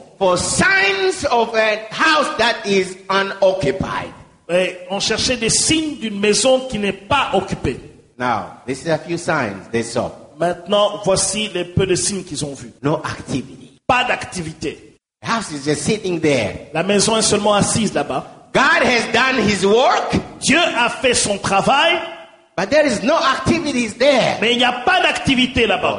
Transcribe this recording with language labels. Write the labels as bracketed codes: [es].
[en] For signs of a house that is unoccupied. [fr] Et on cherchait des signes d'une maison qui n'est pas occupée. [en] Now, this is a few signs they saw. [fr] Maintenant, voici les peu de signes qu'ils ont vus. [en] No activity. [fr] Pas d'activité. [en] The house is just sitting there. [fr] La maison est seulement assise là-bas. [en] God has done his work. [fr] Dieu a fait son travail. [en] But there is no activity there. [fr] Mais il n'y a pas d'activité là-bas.